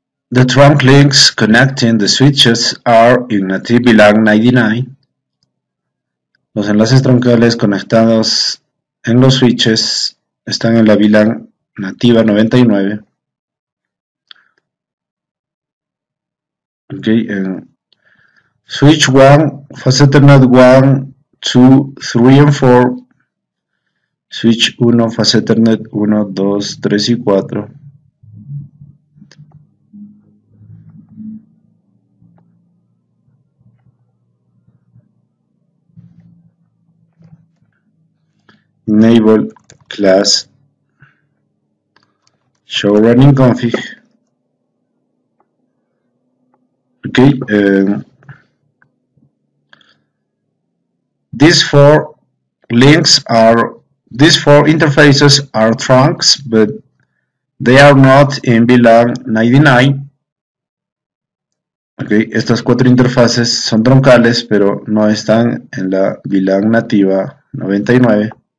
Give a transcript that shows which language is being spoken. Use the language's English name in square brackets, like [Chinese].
[English] The trunk links connecting the switches are in native VLAN 99. [Spanish] Los enlaces troncales conectados en los switches están en la VLAN nativa 99. [English] Okay, switch 1, facet net 1, 2, 3, and 4. [Spanish] Switch 1, facet net 1, 2, 3, y 4. [English] Enable class show running config. Okay, these four interfaces are trunks, but they are not in VLAN 99. [Spanish] Okay, estas cuatro interfaces son troncales, pero no están en la VLAN nativa 99.